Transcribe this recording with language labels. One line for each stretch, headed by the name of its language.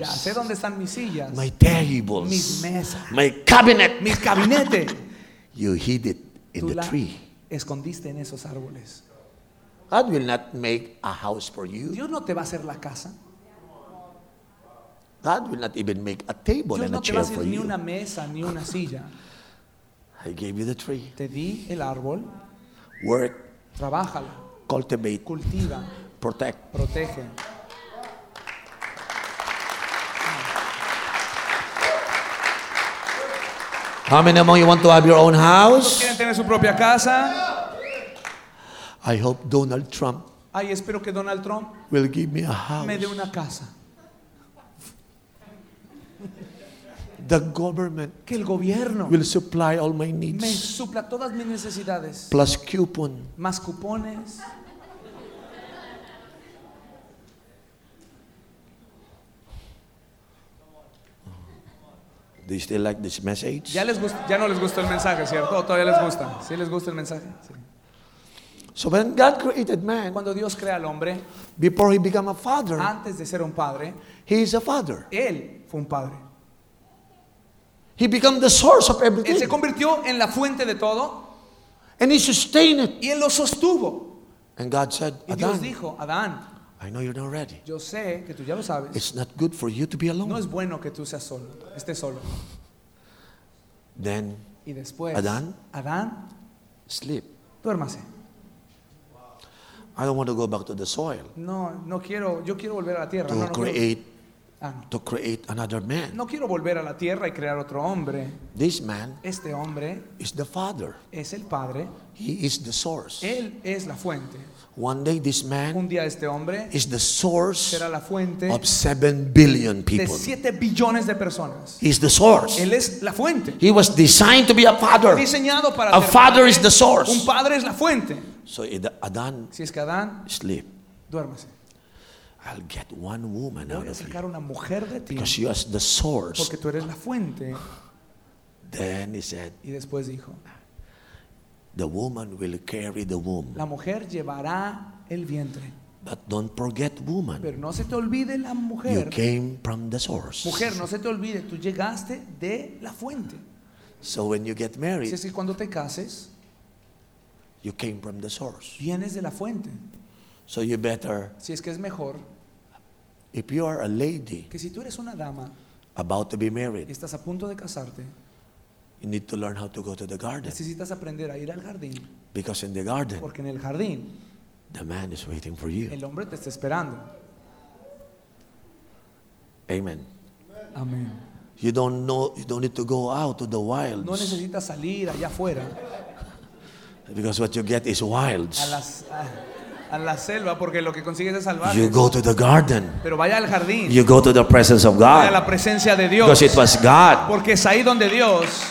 Spanish: Ya sé dónde están mis sillas.
English: My tables.
Spanish: Mis mesas.
English: My cabinet.
Spanish: Mis gabinetes.
English: You hid it in the tree.
Spanish: Escondiste en esos árboles.
English: God will not make a house for you.
Spanish: Dios no te va a hacer la casa.
English: God will not even make a table and a chair for you.
Spanish: Dios no te va a hacer ni una mesa ni una silla.
English: I gave you the tree.
Spanish: Te di el árbol.
English: Work.
Spanish: Trabájalo.
English: Cultivate.
Spanish: Cultiva.
English: Protect.
Spanish: Protege.
English: How many of you want to have your own house?
Spanish: ¿Quieren tener su propia casa?
English: I hope Donald Trump.
Spanish: Ay, espero que Donald Trump
English: will give me a house.
Spanish: Me dé una casa.
English: The government.
Spanish: Que el gobierno
English: will supply all my needs.
Spanish: Me supla todas mis necesidades.
English: Plus coupon.
Spanish: Más cupones.
English: Do you still like this message?
Spanish: Ya les gusta, ya no les gustó el mensaje, ¿cierto? ¿O todavía les gusta? ¿Sí les gusta el mensaje? Sí.
English: So when God created man,
Spanish: cuando Dios crea al hombre,
English: before he became a father,
Spanish: antes de ser un padre,
English: he is a father.
Spanish: Él fue un padre.
English: He became the source of everything.
Spanish: Él se convirtió en la fuente de todo.
English: And he sustained it.
Spanish: Y él lo sostuvo.
English: And God said,
Spanish: y Dios dijo, Adán,
English: I know you're not ready.
Spanish: Yo sé que tú ya lo sabes.
English: It's not good for you to be alone.
Spanish: No es bueno que tú seas solo, estés solo.
English: Then,
Spanish: y después, Adán, Adán,
English: sleep.
Spanish: Duérmase.
English: I don't want to go back to the soil.
Spanish: No, no quiero, yo quiero volver a la tierra.
English: To
Spanish: no, no
English: create,
Spanish: quiero,
English: ah, no. To create another man.
Spanish: No quiero volver a la tierra y crear otro hombre.
English: This man,
Spanish: este hombre,
English: is the father.
Spanish: Es el padre.
English: He is the source.
Spanish: Él es la fuente.
English: One day this man,
Spanish: un día este hombre,
English: is the source,
Spanish: será la fuente,
English: of 7 billion people.
Spanish: De 7 billones de personas.
English: He's the source.
Spanish: Él es la fuente.
English: He was designed to be a father.
Spanish: Diseñado para
English: a
Spanish: ser
English: father
Spanish: padre.
English: Is the source.
Spanish: Un padre es la fuente.
English: So Adán,
Spanish: si es que Adán,
English: sleep.
Spanish: Duérmase.
English: I'll get one woman out of you.
Spanish: Una mujer de ti.
English: Because you are the source.
Spanish: Porque tú eres la fuente.
English: Then he said.
Spanish: Y después dijo.
English: The woman will carry the womb.
Spanish: La mujer llevará el vientre.
English: But don't forget woman.
Spanish: Pero no se te olvide la mujer.
English: You came from the source.
Spanish: Mujer, no se te olvide, tú llegaste de la fuente.
English: So when you get married.
Spanish: Si es que cuando te cases.
English: You came from the source.
Spanish: Vienes de la fuente.
English: So you better.
Spanish: Si es que es mejor.
English: If you are a lady.
Spanish: Que si tú eres una dama.
English: About to be married.
Spanish: Y estás a punto de casarte.
English: You need to learn how to go to the garden.
Spanish: Necesitas aprender a ir al jardín.
English: Because in the garden.
Spanish: Porque en el jardín.
English: The man is waiting for you.
Spanish: El hombre te está esperando.
English: Amen.
Spanish: Amen.
English: You don't know. You don't need to go out to the wilds.
Spanish: No necesitas salir allá afuera.
English: Because what you get is wilds.
Spanish: A la selva, porque lo que consigues es salvar.
English: You go to the garden.
Spanish: Pero vaya al jardín.
English: You go to the presence of God.
Spanish: Vaya a la presencia de Dios.
English: Because it was God.
Spanish: Porque es ahí donde Dios.